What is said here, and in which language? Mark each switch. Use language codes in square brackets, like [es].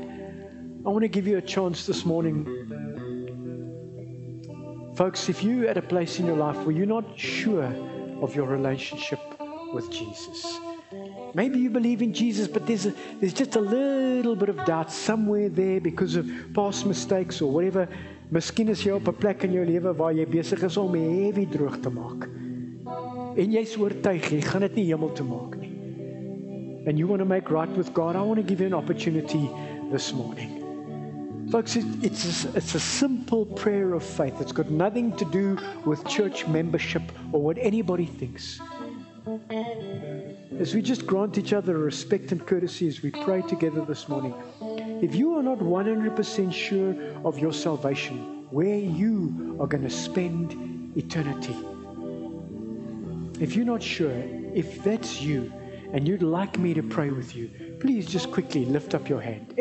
[en] I want to give you a chance this morning. Folks, if you're at a place in your life where you're not sure of your relationship with Jesus. Maybe you believe in Jesus, but there's just a little bit of doubt somewhere there because of past mistakes or whatever. [af] Miskien is jy op 'n plek in jou lewe waar jy besig is om heavy droog te maak. En jy's oortuig, jy gaan dit nie hemel toe maak nie. [en] And you want to make right with God, I want to give you an opportunity this morning. Folks, it's a simple prayer of faith. It's got nothing to do with church membership or what anybody thinks. As we just grant each other respect and courtesy as we pray together this morning, if you are not 100% sure of your salvation, where you are going to spend eternity, if you're not sure, if that's you, and you'd like me to pray with you, please just quickly lift up your hand.